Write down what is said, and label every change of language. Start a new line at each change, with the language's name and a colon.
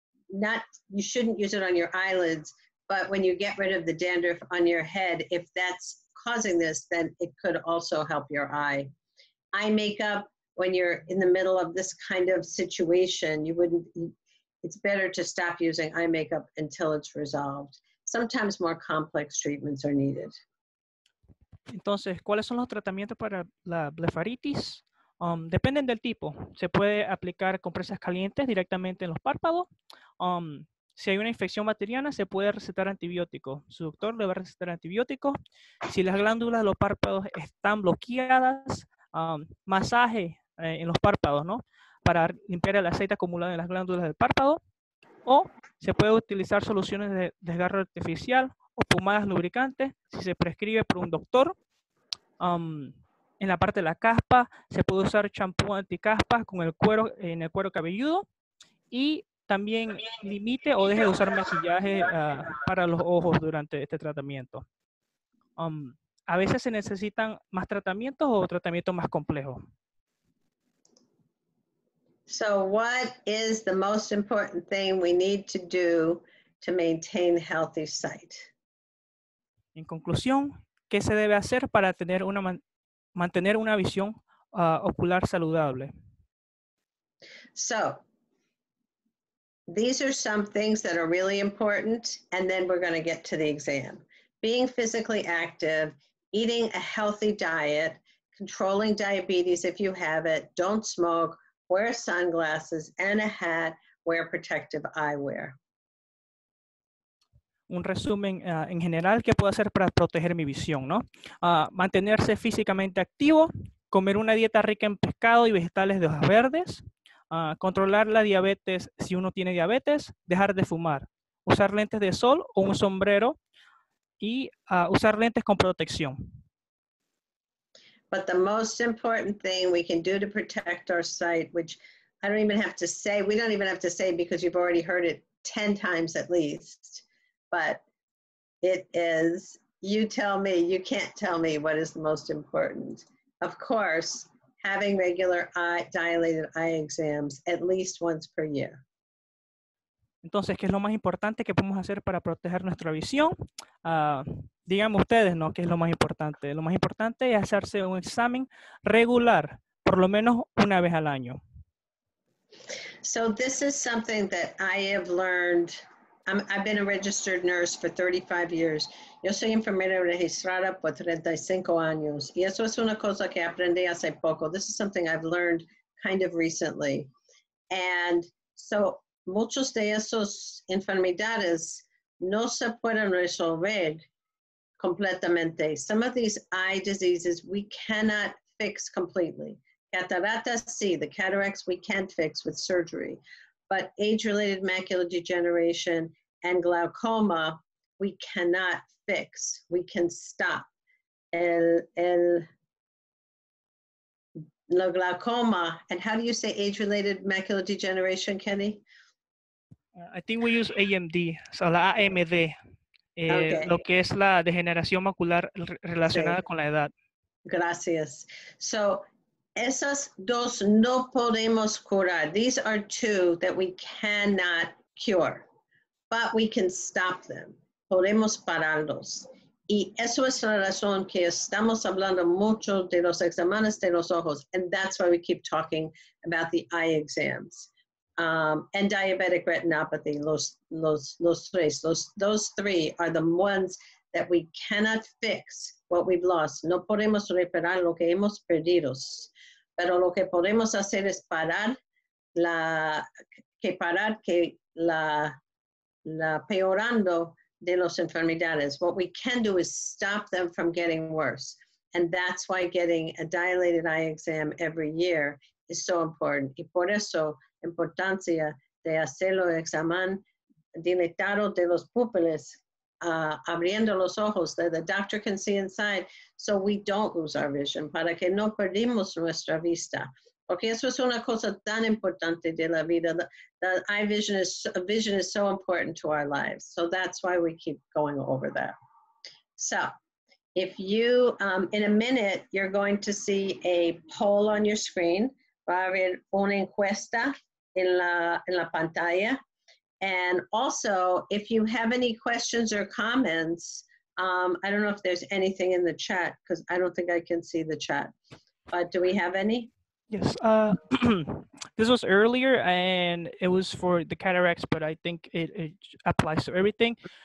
English: Not, you shouldn't use it on your eyelids, but when you get rid of the dandruff on your head, if that's causing this, then it could also help your eye. Eye makeup, when you're in the middle of this kind of situation, you wouldn't, it's better to stop using eye makeup until it's resolved. Sometimes more complex treatments are needed.
Spanish: Entonces, ¿cuáles son los tratamientos para la blefaritis? Dependen del tipo. Se puede aplicar compresas calientes directamente en los párpados. Si hay una infección bacteriana, se puede recetar antibióticos. Su doctor le va a recetar antibióticos. Si las glándulas de los párpados están bloqueadas, masaje en los párpados, ¿no? Para limpiar el aceite acumulado en las glándulas del párpado. O se puede utilizar soluciones de desgarro artificial o pomadas lubricantes si se prescribe por un doctor. En la parte de la caspa, se puede usar champú anticaspa con el cuero, en el cuero cabelludo. Y también limite o deje de usar maquillaje para los ojos durante este tratamiento. A veces se necesitan más tratamientos o tratamientos más complejos.
English: So what is the most important thing we need to do to maintain healthy sight?
Spanish: En conclusión, ¿qué se debe hacer para tener una mantener una visión ocular saludable?
English: So, these are some things that are really important, and then we're going to get to the exam. Being physically active, eating a healthy diet, controlling diabetes if you have it, don't smoke, wear sunglasses and a hat, wear protective eyewear.
Spanish: Un resumen en general, ¿qué puedo hacer para proteger mi visión, ¿no? Mantenerse físicamente activo, comer una dieta rica en pescado y vegetales de hojas verdes, controlar la diabetes si uno tiene diabetes, dejar de fumar, usar lentes de sol o un sombrero y usar lentes con protección.
English: But the most important thing we can do to protect our sight, which I don't even have to say, we don't even have to say because you've already heard it 10 times at least. But it is, you tell me, you can't tell me what is the most important. Of course, having regular eye, dilated eye exams at least once per year.
Spanish: Entonces, ¿qué es lo más importante que podemos hacer para proteger nuestra visión? Díganme ustedes, ¿no? ¿Qué es lo más importante? Lo más importante es hacerse un examen regular, por lo menos una vez al año.
English: So this is something that I have learned. I've been a registered nurse for 35 years.
Spanish: Yo soy enfermera registrada por 35 años. Y eso es una cosa que aprendí hace poco.
English: This is something I've learned kind of recently. And so
Spanish: muchos de esos enfermedades no se pueden resolver completamente.
English: Some of these eye diseases we cannot fix completely.
Spanish: Cataratas, sí,
English: the cataracts we can't fix with surgery. But age-related macular degeneration and glaucoma, we cannot fix. We can stop.
Spanish: El glaucoma,
English: and how do you say age-related macular degeneration, Kenny? I think we use AMD, so la AMD, okay.
Spanish: Lo que es la degeneración macular relacionada con la edad. Gracias.
English: So
Spanish: esas dos no podemos curar.
English: These are two that we cannot cure, but we can stop them.
Spanish: Podemos pararlos. Y eso es la razón que estamos hablando mucho de los exámenes de los ojos,
English: and that's why we keep talking about the eye exams. And diabetic retinopathy, those three are the ones that we cannot fix what we've lost.
Spanish: No podemos reparar lo que hemos perdido, pero lo que podemos hacer es parar la peorando de los enfermedades.
English: What we can do is stop them from getting worse. And that's why getting a dilated eye exam every year is so important.
Spanish: Y por eso, importancia de hacerlo el examen dilatado de los pupilas, abriendo los ojos,
English: that the doctor can see inside, so we don't lose our vision,
Spanish: para que no perdimos nuestra vista. Porque eso es una cosa tan importante de la vida.
English: The vision is so important to our lives. So that's why we keep going over that. So if you, in a minute, you're going to see a poll on your screen.
Spanish: Va a haber una encuesta en la pantalla.
English: And also, if you have any questions or comments, I don't know if there's anything in the chat, because I don't think I can see the chat. But do we have any? Yes. this was earlier, and it was for the cataracts, but I think it applies to everything.